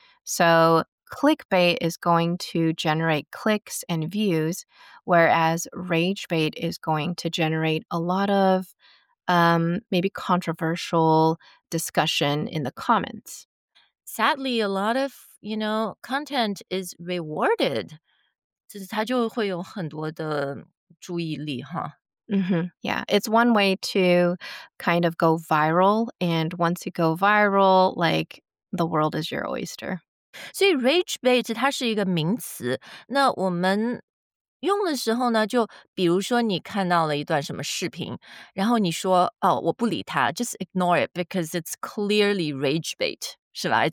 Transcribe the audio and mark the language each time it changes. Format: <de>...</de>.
<en>So clickbait is going to generate clicks and views, whereas ragebait is going to generate a lot of maybe controversial discussion in the comments. Sadly, a lot of, you know, content is rewarded.</en> <zh>就是它就会有很多的注意力哈。 Mm-hmm.</zh> <en>Yeah, it's one way to kind of go viral. And once you go viral, like, the world is your oyster.</en> <zh>所以 rage bait 它是一个名词，那我们用的时候呢，就比如说你看到了一段什么视频，然后你说哦，我不理他，</zh> <en>just ignore it because it's clearly rage bait,</en> <zh>是吧？</zh>